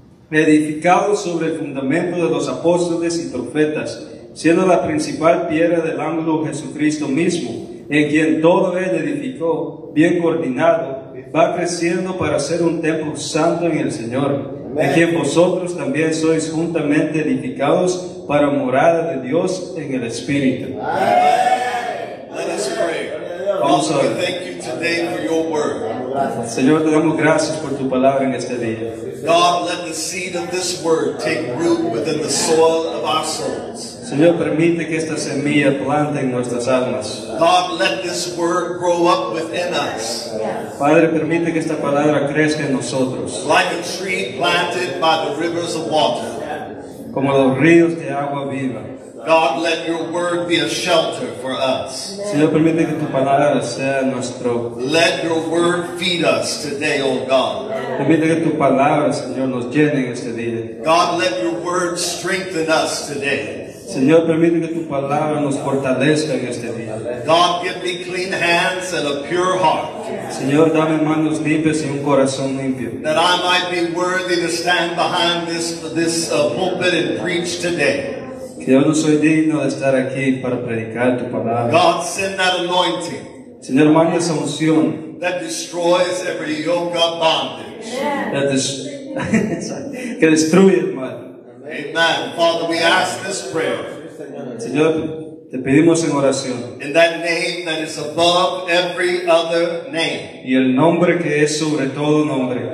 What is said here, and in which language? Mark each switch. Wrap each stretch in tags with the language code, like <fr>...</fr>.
<es>edificados sobre el fundamento de los apóstoles y profetas, siendo la principal piedra del ángulo Jesucristo mismo, en quien todo él edificó, bien coordinado, va creciendo para ser un templo santo en el Señor, en quien vosotros también sois juntamente edificados para morada de Dios en el Espíritu.</es> <en>Amen. Let us pray. Also, we thank you today for your word.</en> <es>Señor, te damos gracias por tu palabra en este día.</es> <en>God, let the seed of this word take root within the soil of our souls.</en> <es>Señor, permite que esta semilla plante en nuestras almas.</es> <en>God, let this word grow up within us.</en> <es>Padre, permite que esta palabra crezca en nosotros.</es> <en>Like a tree planted by the rivers of water.</en> <es>Como los ríos de agua viva.</es> <en>God, let your word be a shelter for us.</en> <es>Señor, permite que tu palabra sea nuestro.</es> <en>Let your word feed us today, oh God.</en> <es>Permite que tu palabra, Señor, nos llene este día.</es> <en>God, let your word strengthen us today.</en> <es>Señor, permite que tu palabra nos fortalezca en este día.</es> <en>God, give me clean hands and a pure heart.</en> <es>Señor, dame manos limpias y un corazón limpio.</es> <en>That I might be worthy to stand behind this pulpit and preach today.</en> <es>Que yo no soy digno de estar aquí para predicar tu palabra.</es> <en>God, send that anointing.</en> <es>Señor, manda esa unción.</es> <en>That destroys every yoke of bondage.</en> <es>Yeah. que destruye el mal.</es> <en>Amen. Father, we ask this prayer.</en> <es>Señor, te pedimos en oración.</es> <en>In that name that is above every other name.</en> <es>Y el nombre que es sobre todo nombre.</es>